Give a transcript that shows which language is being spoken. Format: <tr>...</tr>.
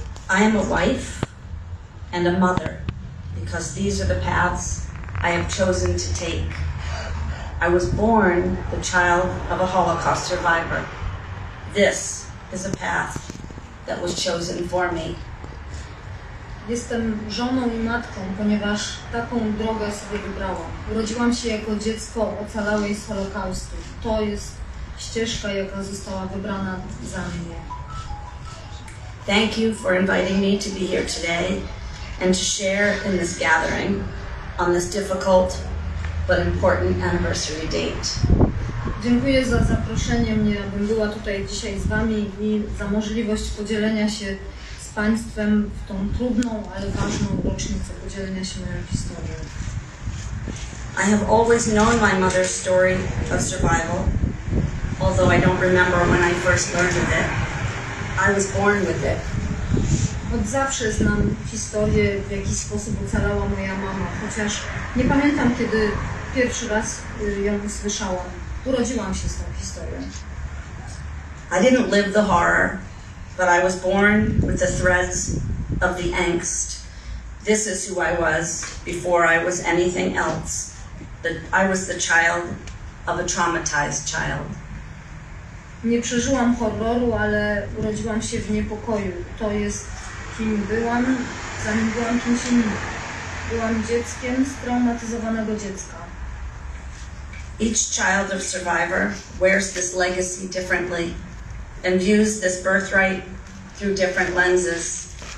<en>I am a wife and a mother because these are the paths I have chosen to take. I was born the child of a Holocaust survivor. This is a path that was chosen for me.</en> <pl>Jestem żoną i matką, ponieważ taką drogę sobie wybrałam. Urodziłam się jako dziecko ocalałej z Holokaustu. To jest ścieżka, jaka została wybrana za mnie.</pl> <en>Thank you for inviting me to be here today and to share in this gathering on this difficult but important anniversary date.</en> <pl>Dziękuję za zaproszenie mnie, abym była tutaj dzisiaj z wami i za możliwość podzielenia się z państwem w tą trudną, ale ważną rocznicę podzielenia się moją historią.</pl> <en>I have always known my mother's story of survival, although I don't remember when I first learned of it. I was born with it.</en> <pl>Od zawsze znam historię, w jaki sposób ocalała moja mama, chociaż nie pamiętam, kiedy pierwszy raz ją usłyszałam. Urodziłam się z tą historią.</pl> <en>I didn't live the horror, but I was born with the threads of the angst. This is who I was before I was anything else. I was the child of a traumatized child.</en> <pl>Nie przeżyłam horroru, ale urodziłam się w niepokoju. To jest kim byłam, zanim byłam kimś innym. Byłam dzieckiem straumatyzowanego dziecka.</pl> <en>Each child of survivor wears this legacy differently and views this birthright through different lenses.</en>